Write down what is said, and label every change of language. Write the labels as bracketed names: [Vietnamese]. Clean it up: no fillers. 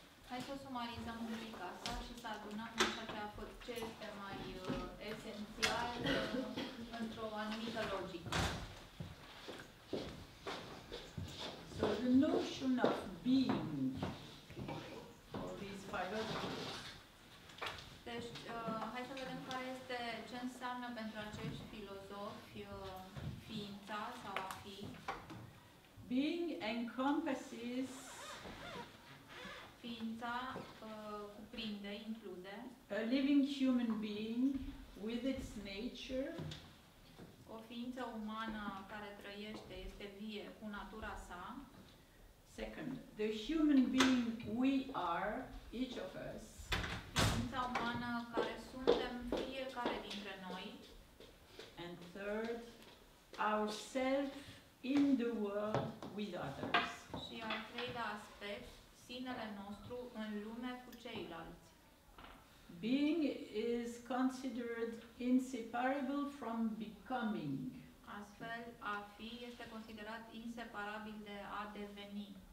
[Romanian] Hai să sumarizăm rubrica asta și să adunăm așa ce a fost cel mai esențial într-o anumită logică. [English] So the notion of being of these philosophers. [Romanian] Deci, hai să vedem care este, ce înseamnă pentru acești filozofi ființa sau a fi. [English] Being encompasses [Romanian] ființa cuprinde, include [English] a living human being with its nature, [Romanian] o ființă umană care trăiește, este vie cu natura sa. [English] Second, the human being we are, each of us, [Romanian] ființa umană care suntem fiecare dintre noi. [English] And third, ourselves in the world with others. [Romanian] Și al treilea aspect, sinele nostru în lume cu ceilalți. [English] Being is considered inseparable from becoming. [Romanian] Astfel, a fi este considerat inseparabil de a deveni.